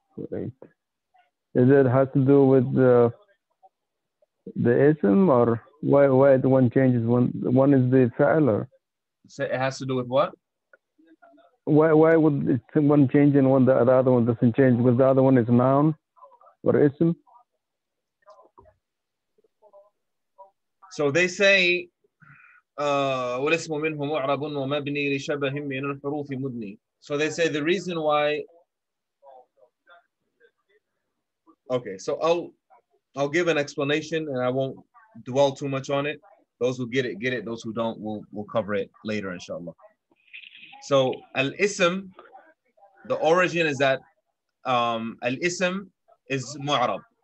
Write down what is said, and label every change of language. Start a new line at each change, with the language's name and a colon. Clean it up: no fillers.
English: Right. Is it has to do with the ism, or why the one changes one is the fa'al? So it has to do with what? Why would it, one change and one the other one doesn't change? Because the other one is noun or ism. So they say,
Arabic: وَالِاسْمُ مِنْهُ مُعْرَبٌ وَمَبْنِي لِشَبَهٍ مِنَ الْحُرُوفِ مُدْنِي.
English: So they say the reason why. Okay, so I'll give an explanation and I won't dwell too much on it. Those who get it. Those who don't, we'll cover it later, inshallah. So al-ism, the origin is that al-ism is mu'arab.